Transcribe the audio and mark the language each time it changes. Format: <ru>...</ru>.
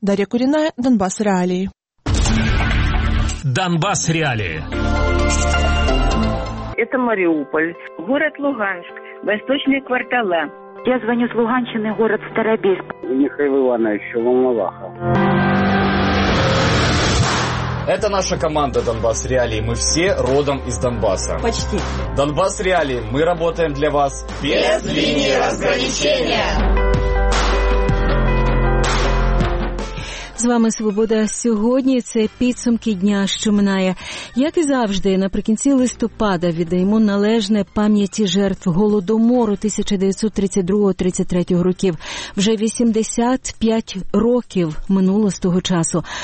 <uk>Дар'я Куріна, Донбас Реалії. Донбас Реалії. Це Маріуполь, город Луганськ, восточні квартали. Я звоню з Луганщини, город Старобільськ. Михайло Іванович, Ломолаха.</uk> <ru>Это наша команда «Донбасс Реалии». Мы все родом из Донбасса. Почти. «Донбасс Реалии». Мы работаем для вас без линии разграничения.</ru> <uk>З вами «Свобода сьогодні». Це підсумки дня, що минає. Як і завжди, наприкінці листопада віддаємо належне пам'яті жертв Голодомору 1932-33 років. Вже 85 років минуло з того часу.</uk>